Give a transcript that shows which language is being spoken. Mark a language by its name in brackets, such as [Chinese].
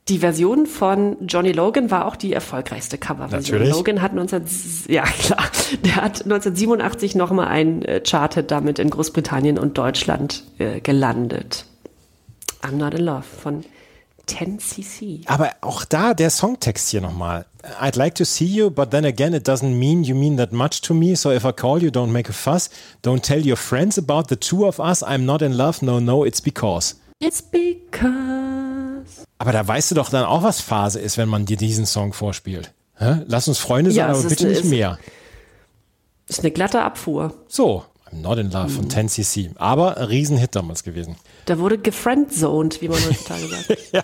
[German] Die Version von Johnny Logan war auch die erfolgreichste Coverversion. Logan hat 1987 nochmal einen Charthit damit in Großbritannien und Deutschland gelandet. I'm Not in Love von 10cc. Aber auch da der Songtext hier nochmal. [English] I'd like to see you, but then again it doesn't mean you mean that much to me. So if I call you, don't make a fuss. Don't tell your friends about the two of us. I'm not in love. No, no, it's because. It's because. [German] Aber da weißt du doch dann auch, was Phase ist, wenn man dir diesen Song vorspielt. Hä? Lass uns Freunde sein, ja, aber bitte nicht mehr. Ist eine glatte Abfuhr. So. I'm Not in Love von 10cc. Aber ein Riesenhit damals gewesen. Da wurde gefriendzoned, wie man heutzutage sagt.